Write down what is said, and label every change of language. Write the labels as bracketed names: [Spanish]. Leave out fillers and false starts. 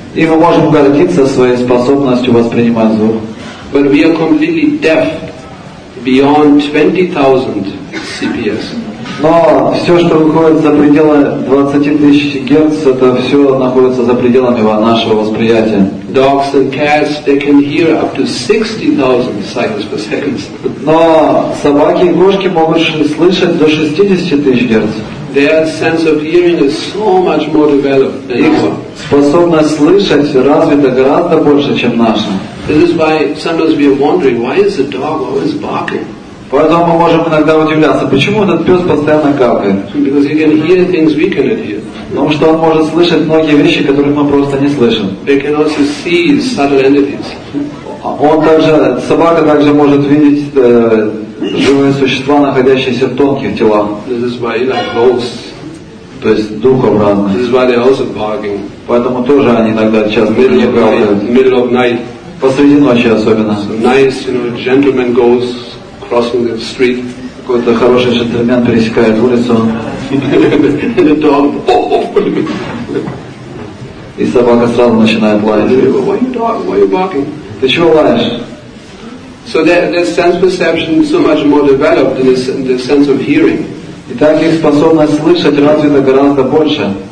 [Russian] И мы можем гордиться своей способностью воспринимать звук. [English] But we are completely deaf beyond 20,000 CPS. [Russian] Но все, что выходит за пределы 20 тысяч герц, это все находится за пределами нашего восприятия. [English] Dogs and cats, they can hear up to 60,000 cycles per second. [Russian] Но собаки и кошки могут слышать до 60 тысяч герц. [English] Their sense of hearing is so much more developed than [Russian] их способность слышать развита гораздо больше, чем наша. [English] This is why sometimes we are wondering, why is the dog always barking? [Russian] Поэтому мы можем иногда удивляться, почему этот пес постоянно гавкает. [English] Because he can hear things we cannot hear. [Russian] Потому что он может слышать многие вещи, которых мы просто не слышим. [English] They can also see subtle entities. [Russian] Он также, собака также может видеть живые существа, находящиеся в тонких телах. [English] This is why, like ghosts. [Russian] То есть духов разных. [English] This is why they also barking. [Russian] Поэтому тоже они иногда часто [English] middle of [Russian] гавкают. [English] Middle of night. [Russian] Посреди ночи особенно. [English] So nice, you know, gentleman goes. Crossing the street. [Russian] Какой-то хороший джентльмен пересекает улицу. [English] And the dog, oh, oh. [Russian] И собака сразу начинает лаять. [English] Why are you dog? Why are you barking? [Russian] Ты чего лаешь? [English] So their sense perception is so much more developed than the sense of hearing. [Russian] Итак, их способность слышать развита гораздо больше.